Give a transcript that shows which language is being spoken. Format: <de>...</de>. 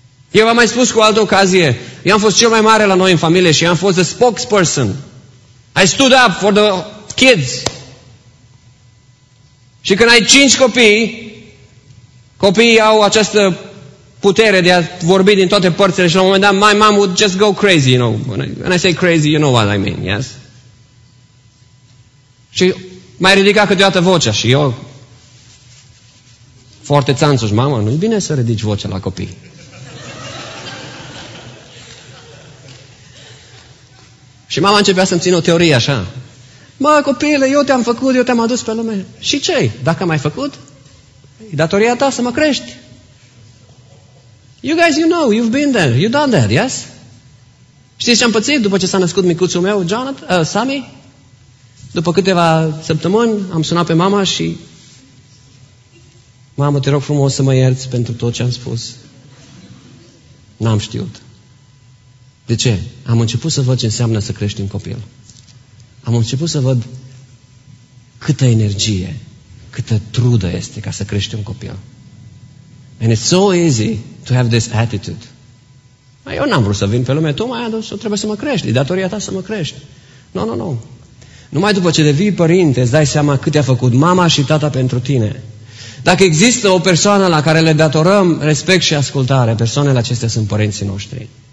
<ro>Eu v-am mai spus cu altă ocazie. Eu am fost cel mai mare la noi în familie și am fost</ro> <en>the spokesperson. I stood up for the kids.</en> <ro>Și când ai 5 copii, copiii au această putere de a vorbi din toate părțile și la un moment dat,</ro> <en>my mom would just go crazy, you know. When I say crazy, you know what I mean, yes?</en> <ro>Și mai ridica câteodată vocea și eu, foarte țanțuș, mama, nu-i bine să ridici vocea la copii. Și mama începea să-mi țină o teorie așa. Mă, copile, eu te-am făcut, eu te-am adus pe lume. Și ce-i? Dacă m-ai făcut, e datoria ta să mă crești.</ro> <en>You guys, you know, you've been there, you've done that, yes?</en> <ro>Știți ce am pățit după ce s-a născut micuțul meu, Sammy? După câteva săptămâni am sunat pe mama și... Mamă, te rog frumos să mă ierți pentru tot ce am spus. N-am știut. De ce? Am început să văd ce înseamnă să crești un copil. Am început să văd câtă energie, câtă trudă este ca să crești un copil.</ro> <en>And it's so easy to have this attitude.</en> <ro>Eu n-am vrut să vin pe lume, tu m-ai adus, trebuie să mă crești, e datoria ta să mă crești.</ro> <en>No, no, no.</en> <ro>Numai după ce devii părinte, îți dai seama cât te-a făcut mama și tata pentru tine. Dacă există o persoană la care le datorăm respect și ascultare, persoanele acestea sunt părinții noștri.</ro>